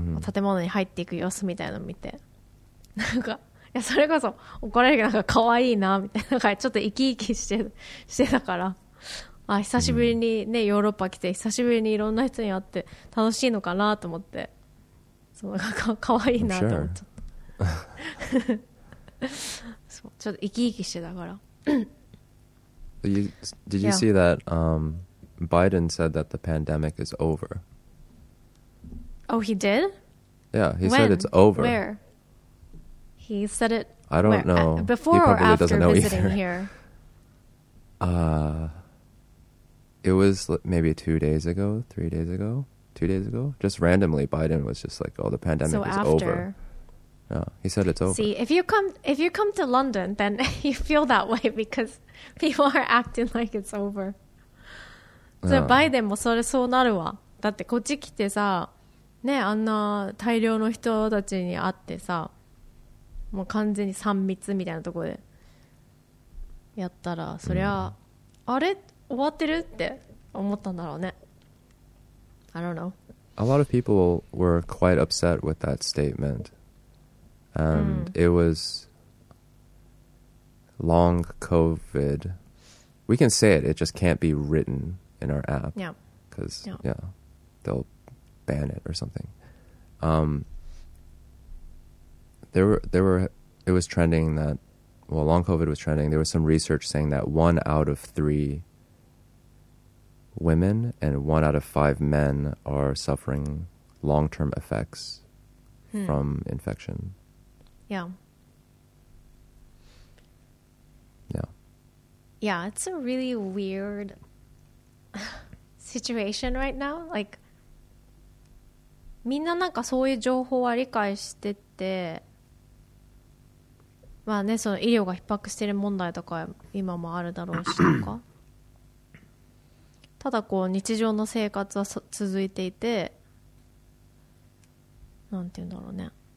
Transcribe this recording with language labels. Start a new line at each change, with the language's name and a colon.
Japanese: 建物に入っていく様子みたいなの見てなんかいやそれこそ怒られるけどなんか可愛いなみたいな感じちょっと生き生きしてたからあ久しぶりにねヨーロッパ来て久しぶりにいろんな人に会って楽しいのかなと思ってそのなんか可愛いなと思っちゃったそうちょっと生き生きしてたから
English: Did you see that Biden said that the pandemic is over? Oh, he did? Yeah, he said it's over. Where? He said it. I don't know. Before or after visiting here? It was maybe 2 days ago, 3 days ago, 2 days ago? Just randomly, Biden was just like, oh, the pandemic is over. Yeah, he said it's over. See, if you come to London, then you feel that way because people are acting like it's over.
Japanese: So Biden もそれそうなるわ。だってこっち来てさ、ね、あんな大量の人たちに会ってさ、もう完全に3密みたいなところでやったら、そりゃ、あれ終わってるって思ったんだろうね。
English: I don't know. A lot of people were quite upset with that statement. And it was long COVID. We can say it, it just can't be written in our app. Yeah. Because, yeah, they'll ban it or something. It was trending that, well, long COVID was trending. There was some research saying that 1 out of 3 women and 1 out of 5 men are suffering long-term effects from infection. Yeah. Yeah. Yeah, it's a really weird situation right now.
Japanese: Like, みんななんかそういう情報は理解してて、まあね、その医療が逼迫してる問題とか今もあるだろうしとか。ただこう日常の生活は続いていて、なんて言うんだろうね。